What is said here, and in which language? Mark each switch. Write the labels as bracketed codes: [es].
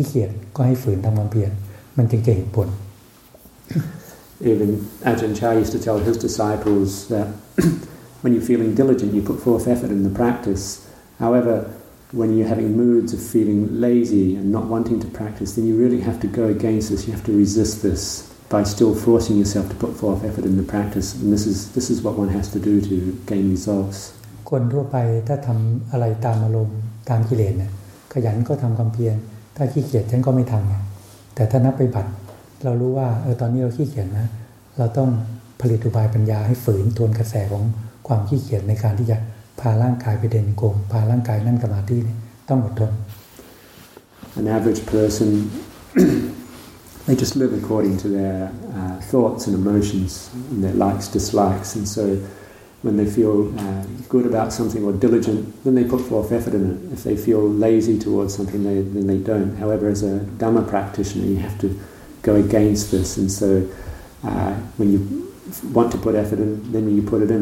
[th] ขยันก็ทำความเพียรแต่ว่าเราเมื่อตกอยู่ในอารมณ์ที่ขี้เกียจเนี่ยท่านบอกให้ฝืนก็ทำความเพียรท่านบอกว่าขยันก็ทำก็ทำความเพียรแต่ขี้เกียจก็ให้ฝืนทำความเพียรมันจริงๆผล [en] Even Ajahn Chah used to tell his disciples that when you're feeling diligent, you put forth effort in the practice. However, when you're having moods of feeling lazy and not wanting to practice, then you really have to go against this. You have to resist this by still forcing yourself to put forth effort in the practice. And this is what one has to do to gain results. [th] คนทั่วไปถ้าทำอะไรตามอารมณ์ตามกิเลสเนี่ยขยันก็ทำความเพียรถ้าขี้เกียจฉันก็ไม่ทำไงแต่ถ้านับไปบัตรเรารู้ว่าตอนนี้เราขี้เกียจนะเราต้องผลิตอุบายปัญญาให้ฝืนทวนกระแสของความขี้เกียจในการที่จะพาร่างกายไปเดินกลมพาร่างกายนั่งสมาธิต้องอดทน [en] An average person they just live according to their thoughts and emotions and their likes dislikes and so when they feel good about something or diligent then they put forth effort in it if they feel lazy towards something then they don't however as a Dhamma practitioner you have to go against this and so when you want to put effort in, then you put it in.